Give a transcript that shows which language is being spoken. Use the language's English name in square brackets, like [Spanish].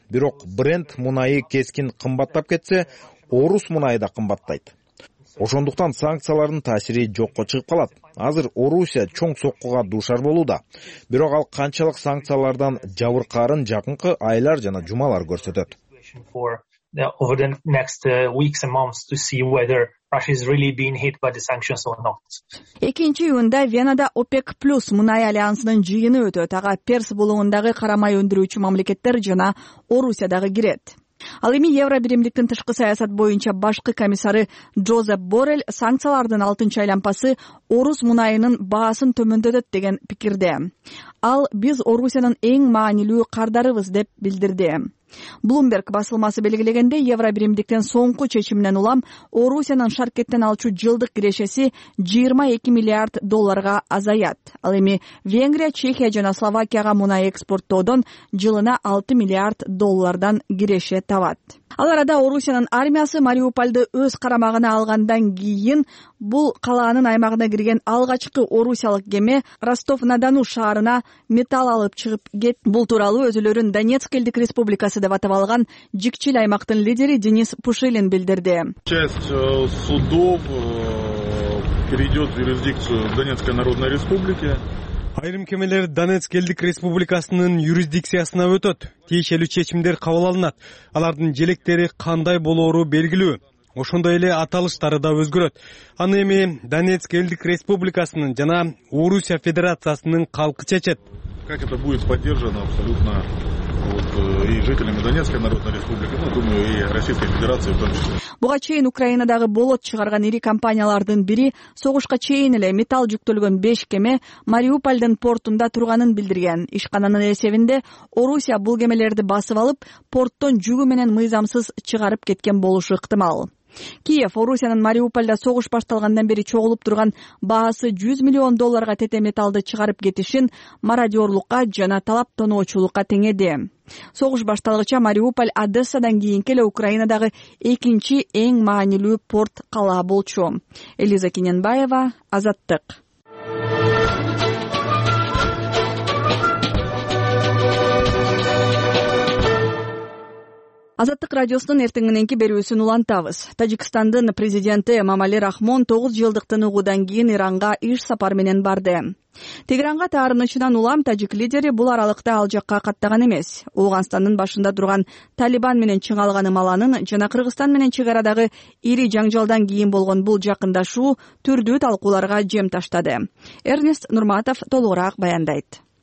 [Kyrgyz] Бирок Brent мунайы кескин кымбаттап кетсе, орус мунайы да кымбаттайт. Ошондуктан санкциялардын таасири жокко чыгып калат. Азыр Орусия чоң соккуга дуушар болууда. Бирок ал канчалык санкциялардан жабыркаарын жакынкы айлар жана жумалар көрсөтөт. [English] Russia is really being hit by the sanctions or not. [Kyrgyz] 2 июнда Венада OPEC Plus мунай альянсынын жыйыны өтөт. Ага Перс булагындагы карамай өндүрүүчү мамлекеттер жана Орусия дагы кирет. Ал эми Евробиримдиктин тышкы саясат боюнча башкы комиссары Джозеп Боррель санкциялардын алтынчы айлампасы орус мунайынын баасын төмөндөтөт деген пикирде. Ал биз Орусиянын эң маанилүү кардарыбыз деп билдирди. Bloomberg басылмасы белгилегендей, Евробиримдиктин соңку чечиминен улам Орусиянын шаркеттен алчу жылдык кирешеси 22 миллиард долларга азаят. Ал эми Венгрия, Чехия жана Словакияга мунай экспорттоодон жылына 6 миллиард доллардан киреше табат. Ал арада Орусиянын армиясы Мариупольду өз карамагына алгандан кийин бул калаанын аймагына кирген алгачкы орусиялык кеме Ростов-на-Дону шаарына металл алып чыгып кетти. Бул тууралуу өзүлөрүн Донецк элдик республикасы деп атап алган жикчил аймактын лидери Денис Пушилин билдирди. [Russian] Часть судов перейдет в юрисдикцию Донецкой Народной Республики. [Kyrgyz] Айрым кемелер Донецк элдик республикасынын юрисдикциясына өтөт. Тиешелүү чечимдер кабыл алынат. Алардын желектери кандай болоору белгилүү. Ошондой эле аталыштары да өзгөрөт. Аны эми Донецк элдик республикасынын жана Орусия Федерациясынын калкы чечет. [Russian] Как это будет поддержано абсолютно и жителями Донецкой Народной Республики, думаю, и Российской Федерации в том числе. [Kyrgyz] Буга чейин Украинадагы болот чыгарган ири компаниялардын бири согушка чейин эле металл жүктөлгөн 5 кеме Мариупольдун портунда турганын билдирген. Ишкананын эсебинде Орусия бул кемелерди басып алып, порттон жүгү менен мыйзамсыз чыгарып кеткен болушу ыктымал. Киев Орусиянын Мариупольда согуш башталгандан бери чогулуп турган баасы 100 миллион долларга тетем металлды чыгарып кетишин мародерлукка жана талаптоноочулукка теңеди. Согуш башталгыча Мариуполь Одессадан кийинки эле Украинадагы экинчи эң маанилүү порт калаа болчу. Элиза Кененбаева, Азаттык. Азаттык радиосунун эртең мененки берүүсүн улантабыз. Тажикстандын президенти Мамали Рахмон 9 жылдыктын угуудан кийин Иранга иш сапар менен барды. Тегеранга таарынычынан улам тажик лидери бул аралыкта ал жакка каттаган эмес. Ооганстандын башында турган Талибан менен чыга алган ымаланын жана Кыргызстан менен чек арадагы ири жаңжалдан кийин болгон бул жакындашуу түрдүү талкууларга жем таштады. Эрнест Нурматов толугураак баяндайт.